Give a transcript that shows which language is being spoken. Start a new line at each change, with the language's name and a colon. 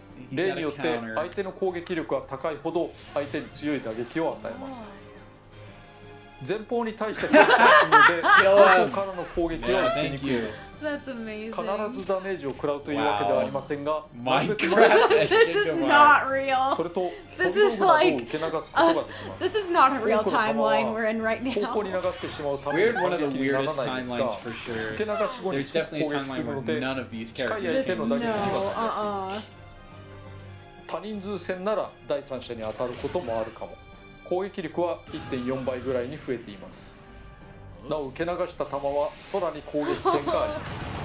Japanese: 例によって相手の攻撃力が高いほど相手に強い打撃を与えます。前方に対して攻撃するので、前方からの攻撃は受けにくいです。必ずダメージを食らうというわけではありませんが、マイクラフト、
English: This is not real.
Japanese: それと、飛行機を受け流すことができます。
English: This is not a real timeline we're in right now.
Japanese: 方向に流してしまうため、
English: We're one of the weirdest timelines for sure.
Japanese: 受け流し後に攻撃するので、近い相手の打撃には耐えます。他人数戦なら第三者に当たることもあるかも。攻撃力は 1.4 倍ぐらいに増えています。なお受け流した弾は空に攻撃点があります